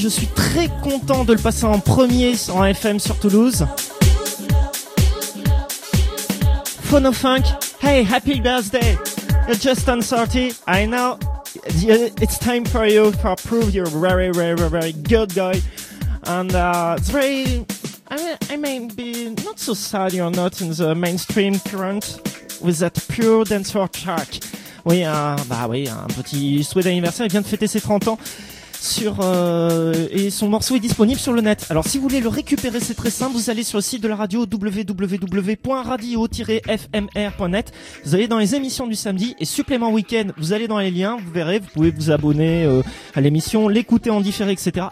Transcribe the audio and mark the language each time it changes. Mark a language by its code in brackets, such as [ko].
[fr] Je suis très content de le passer en premier en FM sur Toulouse. [en] Phono Funk, hey, happy birthday. You just turned 30. I know it's time for you to prove you're very, very, very, very good guy. And it's very... I may be not so sad you're not in the mainstream current with that pure dancehall track. [fr] Oui, un petit souhait d'anniversaire, il vient de fêter ses 30 ans sur et son morceau est disponible sur le net. Alors si vous voulez le récupérer, c'est très simple, vous allez sur le site de la radio www.radio-fmr.net. Vous allez dans les émissions du samedi et supplément week-end, vous allez dans les liens, vous verrez, vous pouvez vous abonner à l'émission, l'écouter en différé, etc.